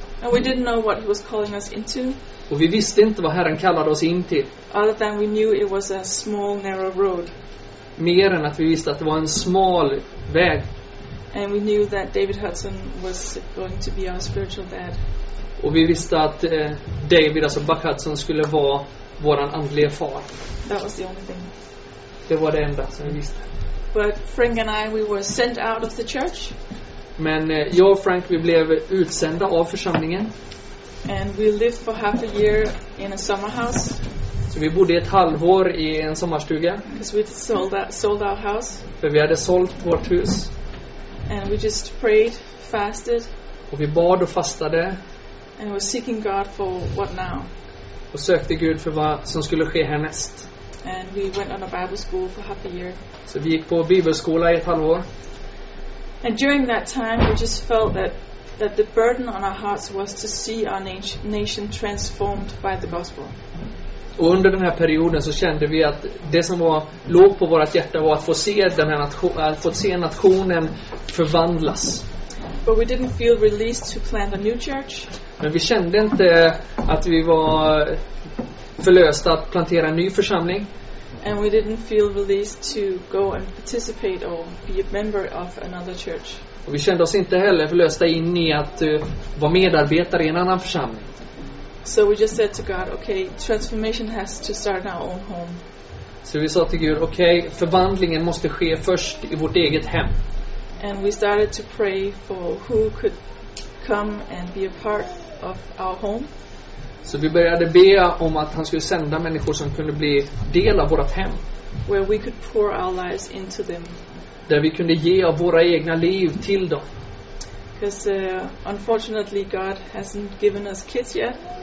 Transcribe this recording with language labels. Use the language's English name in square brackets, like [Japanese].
[English] And we didn't know what he was calling us into. [Swedish] Och vi visste inte vad Herren kallade oss in till. [English] Other than we knew it was a small narrow road. [Swedish] Mer än att vi visste att det var en smal väg. [English] And we knew that David Hudson was going to be our spiritual dad. [Swedish] Och vi visste att David, alltså Buck Hudson, skulle vara våran andliga far. [English] That was the only thing. [Swedish] Det var det enda som vi visste. [English] But Frank and I, we were sent out of the church. [Swedish] Men jag och Frank, vi blev utsända av församlingen. [English] And we lived for half a year in a summer house. [Swedish] Så vi bodde ett halvår i en sommarstuga. [English] Because we sold our house. [Swedish] För vi hade sålt vårt hus. [English] And we just prayed, fasted. [Swedish] Och vi bad och fastade. [English] And we're seeking God for what now. [Swedish] Och sökte Gud för vad som skulle ske härnäst. [English] And we went on a Bible school for half a year. [Swedish] Så vi gick på bibelskola i ett halvår. [English] And during that time we just felt that the burden on our hearts was to see our nation transformed by the gospel. [Swedish] Och under den här perioden så kände vi att det som var låg på vårt hjärta var att få se den här nationen förvandlas. [English] But we didn't feel released to plant a new church. [Swedish] Men vi kände inte att vi var förlösta att plantera en ny församling. [English] And we didn't feel released to go and participate or be a member of another church. [Swedish] Och vi kände oss inte heller förlösta in i att vara medarbetare i en annan församling. [English] So we just said to God, okay, transformation has to start in our own home. [Swedish] Så vi sa till Gud, okej, förvandlingen måste ske först i vårt eget hem. [English] And we started to pray for who could come and be a part of our home. [Swedish] Så vi började be om att han skulle sända människor som kunde bli del av vårt hem. [English] Where we could pour our lives into them. [Swedish] Där vi kunde ge av våra egna liv till dem. [English] Because unfortunately God hasn't given us kids yet.